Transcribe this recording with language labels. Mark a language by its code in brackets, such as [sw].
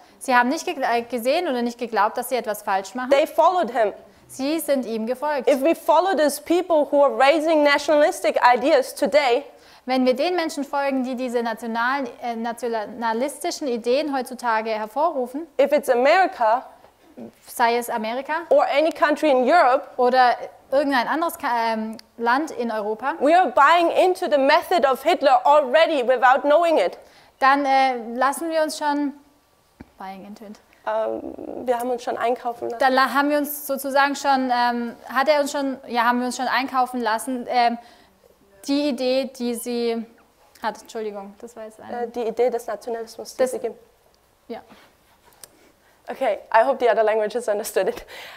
[de] Sie haben nicht gesehen oder nicht geglaubt, dass sie etwas falsch machen. [en] They followed him. [de] Sie sind ihm gefolgt. [en] If we follow these people who are raising nationalistic ideas today, [de] wenn wir den Menschen folgen, die diese nationalistischen Ideen heutzutage hervorrufen, [en] if it's America, [de] sei es Amerika [en] or any country in Europe, [de] oder irgendein anderes Land in Europa, [en] we are buying into the method of Hitler already without knowing it. [de] Dann lassen wir uns schon [en] buying into it. [de] Wir haben uns schon einkaufen lassen. Dann haben wir uns sozusagen schon, hat er uns schon, ja, haben wir uns schon einkaufen lassen. Die Idee, die sie hat, Entschuldigung, das war jetzt eine. Die Idee des Nationalismus, die sie gibt. Ja. [en] Okay, I hope the other languages understood it.